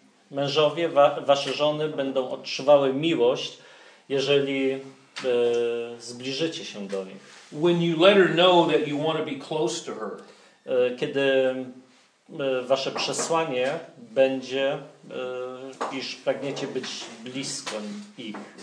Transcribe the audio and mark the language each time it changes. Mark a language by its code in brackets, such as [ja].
[pl] Mężowie, wasze żony będą odczuwały miłość, jeżeli zbliżycie się do niej. [en] When you let her know that you want to be close to her. [pl] Kiedy wasze przesłanie będzie, iż pragniecie być blisko ich.